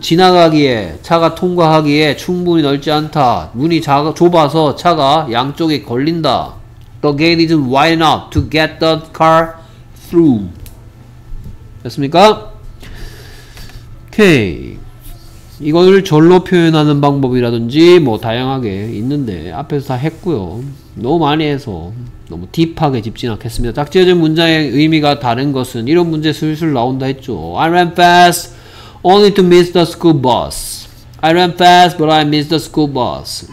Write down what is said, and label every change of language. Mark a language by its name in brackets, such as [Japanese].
[Korean] 지나가기에, 차가 통과하기에 충분히 넓지 않다. 문이 좁아서 차가 양쪽에 걸린다. [English] The gate is wide enough to get the car through. [Korean] 됐습니까? 오케이. 이거를 절로 표현하는 방법이라든지 뭐 다양하게 있는데 앞에서 다 했고요. 너무 많이 해서 너무 딥하게 집진 않겠습니다. 짝지어진 문장의 의미가 다른 것은 이런 문제 슬슬 나온다 했죠. [English] I ran fast only to miss the school bus. I ran fast but I missed the school bus.